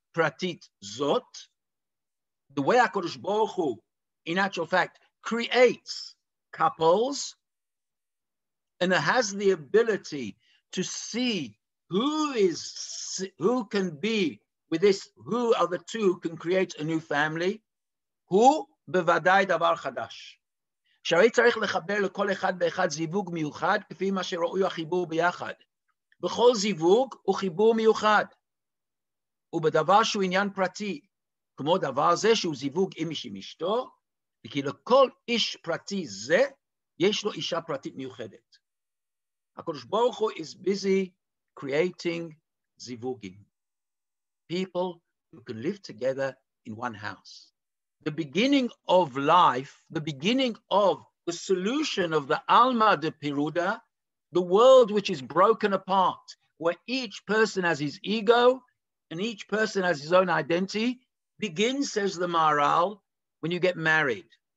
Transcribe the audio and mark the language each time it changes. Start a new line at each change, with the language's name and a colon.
Hebrew: pratit zot,
English: the way HaKadosh Baruch Hu, in actual fact, creates couples and has the ability to see who can be with this, who are the two who can create a new family, who
Hebrew: bevadai davar chadash. שהרי צריך לחבר לכל אחד ואחד זיווג מיוחד, כפי מה שראוי החיבור ביחד. בכל זיווג הוא חיבור מיוחד. ובדבר שהוא עניין פרטי, כמו דבר זה שהוא זיווג עם איש עם אשתו, וכי לכל איש פרטי זה, יש לו אישה פרטית מיוחדת.
English: הקדוש ברוך הוא is busy creating זיווגים. People who can live together in one house. The beginning of life, the beginning of the solution of the Alma de Piruda, the world which is broken apart, where each person has his ego and each person has his own identity, begins, says the Maharal, when you get married.